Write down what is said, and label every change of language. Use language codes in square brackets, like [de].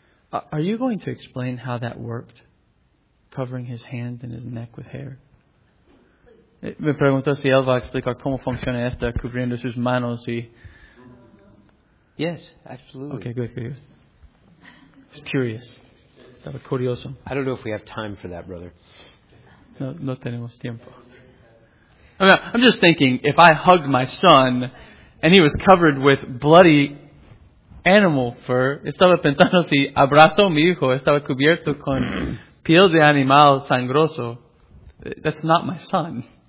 [en] Are you going to explain how that worked? Covering his hands and his neck with hair? [es] Me preguntó si él va a explicar cómo funciona esto, cubriendo sus manos y... [en] Yes, absolutely. Okay, good, good. I was curious. [es] Estaba curioso. [en] I don't know if we have time for that, brother. [es] No tenemos tiempo. [en] I'm just thinking, if I hugged my son and he was covered with bloody animal fur, [es] estaba pensando si abrazo a mi hijo, estaba cubierto con piel de animal sangroso, [en] that's not my son.